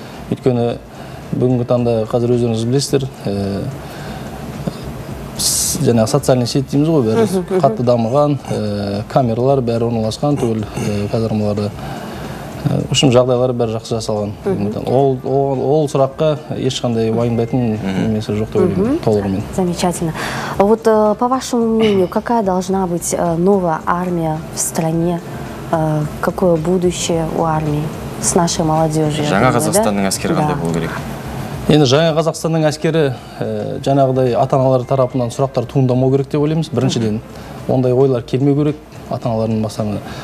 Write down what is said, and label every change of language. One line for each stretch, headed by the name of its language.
Kazakh: Өйткені бүгінгі таңда қазір өздеріңіз білесіздер, және социальный сеть дейміз ғой, бәрі қатты дамыған, камералар бәрі орналасқан, түгел қазірмаларды үшін жағдайлары бәрі жақсы жасалған. Ол сұраққа ешқандай уайымдайтын немесе жоқ деп ойлаймын толығымен.
Russian: Замечательно. Вот по вашему мнению, какая должна быть новая армия в стране? Какое будущее у армии с нашей молодежью?
Kazakh: Жаңа Қазақстанның әскері қандай болу керек? Енді жаңа Қазақстанның әскері жаңағыдай ата-аналар тарапынан сұрақтар туындамау керек деп ойлаймыз. Біріншіден ондай ойлар келмеу керек ата-аналардың басына.